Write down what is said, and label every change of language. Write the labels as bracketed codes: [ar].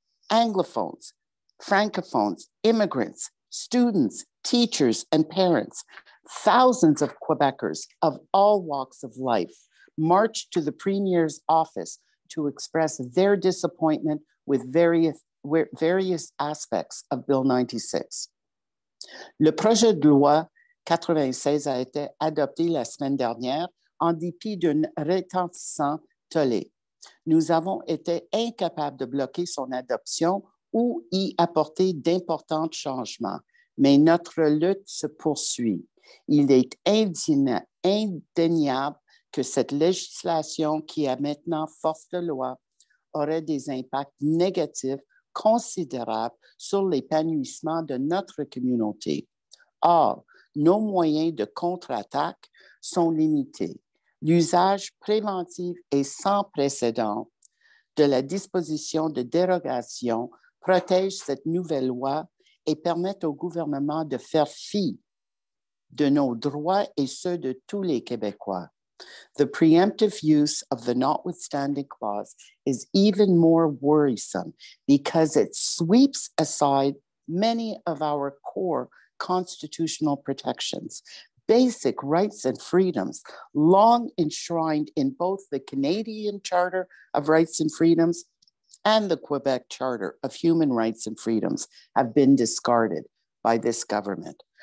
[en] Anglophones, Francophones, immigrants, students, teachers, and parents, thousands of Quebecers of all walks of life marched to the premier's office to express their disappointment with various aspects of Bill 96. [fr] Le projet de loi 96 a été adopté la semaine dernière en dépit d'un retentissant tollé. Nous avons été incapables de bloquer son adoption ou y apporter d'importants changements, mais notre lutte se poursuit. Il est indéniable que cette législation qui a maintenant force de loi aurait des impacts négatifs considérables sur l'épanouissement de notre communauté. Or, nos moyens de contre-attaque sont limités. L'usage préventif et sans précédent de la disposition de dérogation protège cette nouvelle loi et permet au gouvernement de faire fi de nos droits et ceux de tous les Québécois. [en] The preemptive use of the notwithstanding clause is even more worrisome because it sweeps aside many of our core constitutional protections, basic rights and freedoms, long enshrined in both the Canadian Charter of Rights and Freedoms and the Quebec Charter of Human Rights and Freedoms, have been discarded by this government.